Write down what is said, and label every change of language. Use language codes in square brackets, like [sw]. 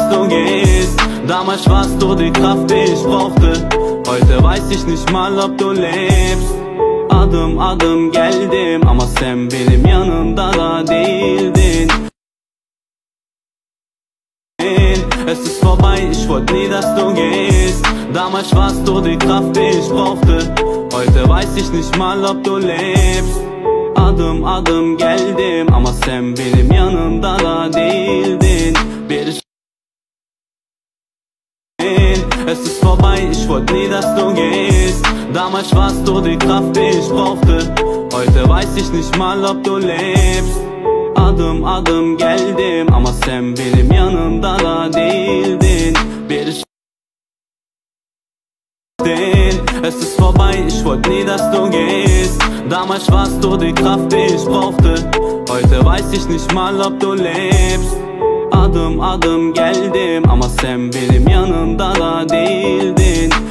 [de] Bir damals warst du die Kraft, die ich brauchte. Heute weiß ich nicht mal, ob du lebst. [tr] Adım adım geldim ama sen benim yanımda da değildin. [de] Es ist vorbei, ich wollte nie, dass du gehst. Damals warst du die Kraft, die ich brauchte. Heute weiß ich nicht mal, ob du lebst. [tr] Adım adım geldim ama sen benim yanımda da değildin. [de] Bir es ist vorbei, ich wollte nie, dass du gehst. Damals warst du die Kraft, die ich brauchte. Heute weiß ich nicht mal, ob du lebst. [tr] Adım adım geldim ama sen benim yanımda da değildin. Bir şeydin. [de] Es ist vorbei, ich wollte nie, dass du gehst. Damals warst du die Kraft, die ich brauchte. Heute weiß ich nicht mal, ob du lebst. [tr] Adım adım geldim ama sen benim yanımda da değildin.